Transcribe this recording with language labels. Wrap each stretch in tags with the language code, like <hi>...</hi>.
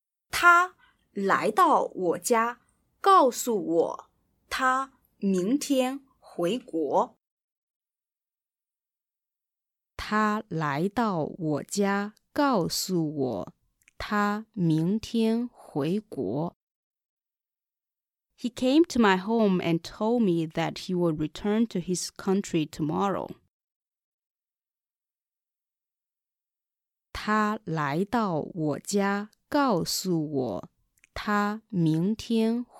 <zh>他来到我家 告诉我他明天回国。他来到我家告诉我他明天回国。</zh> <en>He came to my home and told me that he will return to his country tomorrow.</en> <zh>他来到我家告诉我他明天回国。</zh>